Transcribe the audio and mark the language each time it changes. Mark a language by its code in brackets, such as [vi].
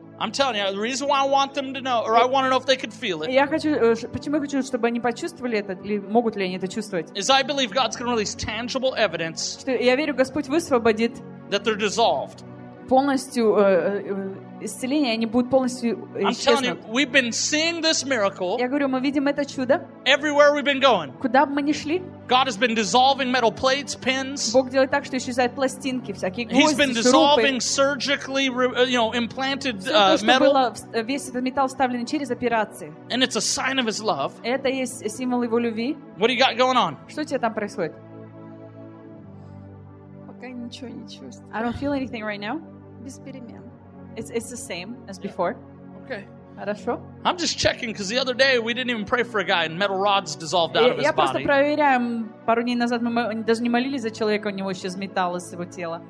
[en] I'm telling you, the reason why I want them to know, or I want to know if they could feel it. [ru] Я хочу, почему я хочу, чтобы они почувствовали это, или могут ли они это чувствовать? [en] Is I believe God's going to release tangible evidence. [ru] Что я верю, Господь высвободит. [en] That they're dissolved. [ru] Полностью исцеление, они будут полностью исчезнуть. Я говорю, мы видим это чудо. [en] Everywhere we've been going. [ru] Куда бы мы ни шли. [en] God has been dissolving metal plates, pins. [ru] Бог делает так, что исчезают пластинки всякие, гвозди, [en] He's been dissolving Surgically, you know, implanted metal. [ru] Весь этот металл вставлен через операции. [en] And it's a sign of His love. [ru] Это есть символ Его любви. [en] What do you got going on? [ru] Что у тебя там происходит? Пока ничего не чувствую. [en] I don't feel anything right now. [ru] Без перемен. [en] It's the same as yeah. before. Okay. [ru] Хорошо. [en] I'm just checking because the other day we didn't even pray for a guy and metal rods dissolved out of his body. [ru] Я просто проверяю. Пару дней назад мы даже не молились за человека, у него исчез металл из его тела.